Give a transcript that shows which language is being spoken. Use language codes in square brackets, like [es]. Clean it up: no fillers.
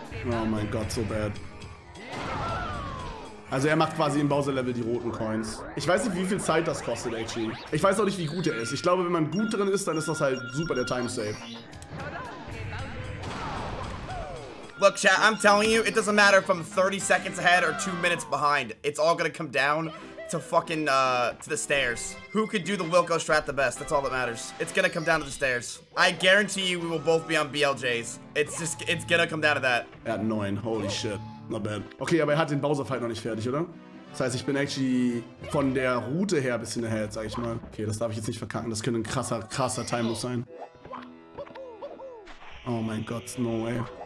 [de] Oh mein Gott, [en] so bad. [de] Also er macht quasi im Bowser-Level die roten Coins. Ich weiß nicht, wie viel Zeit das kostet, actually. Ich weiß auch nicht, wie gut er ist. Ich glaube, wenn man gut drin ist, dann ist das halt super der Time-Save. [en] Look, chat, I'm telling you, it doesn't matter if I'm 30 seconds ahead or 2 minutes behind. It's all gonna come down to fucking, to the stairs. Who could do the Wilco strat the best? That's all that matters. It's gonna come down to the stairs. I guarantee you we will both be on BLJs. It's gonna come down to that. At 9, holy shit. Not bad. [de] Okay, aber er hat den Bowser-Fight noch nicht fertig, oder? Das heißt, ich bin actually von der Route her ein bisschen ahead, sag ich mal. Okay, das darf ich jetzt nicht verkacken. Das könnte ein krasser, krasser Time-Loop sein. Oh mein Gott, [en] no way.